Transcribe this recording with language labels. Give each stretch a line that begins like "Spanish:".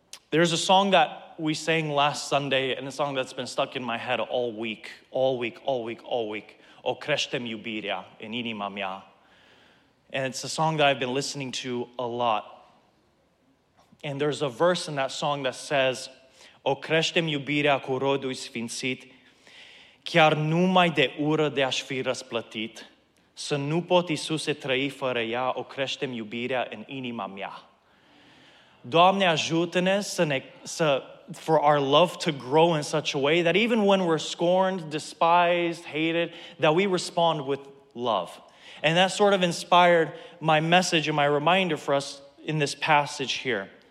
English: There's a song that we sang last Sunday and a song that's been stuck in my head all week, all week, all week, all week.
Romanian: O kreštem jubirja in inima mia.
English: And it's a song that I've been listening to a lot. And there's a verse in that song that says,
Romanian: O creștem iubirea cu rodul sfințit, chiar numai de ură de aș fi răsplătit, să nu pot Iisuse trăi fără ea, o creștem iubirea în inima mea. Doamne, ajută-ne
English: for our love to grow in such a way that even when we're scorned, despised, hated, that we respond with love. And that sort of inspired my message and my reminder for us in this passage here.